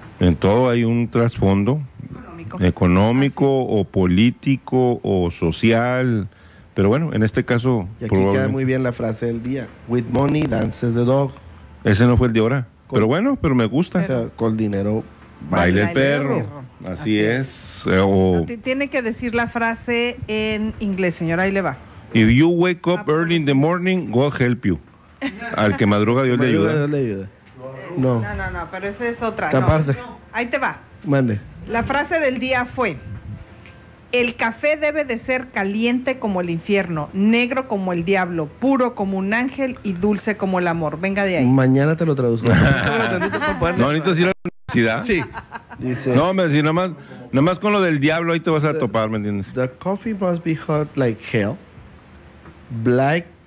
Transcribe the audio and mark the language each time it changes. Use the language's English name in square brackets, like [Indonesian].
[Spanish] En todo hay un trasfondo económico o político o social, pero bueno, en este caso y aquí probablemente queda muy bien la frase del día: [English] with money dances the dog. [Spanish] Ese no fue el de ahora. Pero bueno, pero me gusta. Pero, o sea, con dinero baila el perro. Así es. Tiene que decir la frase en inglés, señora. Ahí le va. [English] If you wake up early in the morning, God help you. [Spanish] Al que madruga, Dios le ayuda. Dios le ayuda. No, pero esa es otra. Aparte. No. Ahí te va. Mande. La frase del día fue: el café debe de ser caliente como el infierno, negro como el diablo, puro como un ángel y dulce como el amor. Venga de ahí. Mañana te lo traduzco. No, necesitas ir a la universidad. Sí. Dice, no, hombre, si nada más con lo del diablo ahí te vas a topar, ¿me entiendes? [English] The coffee must be hot like hell, black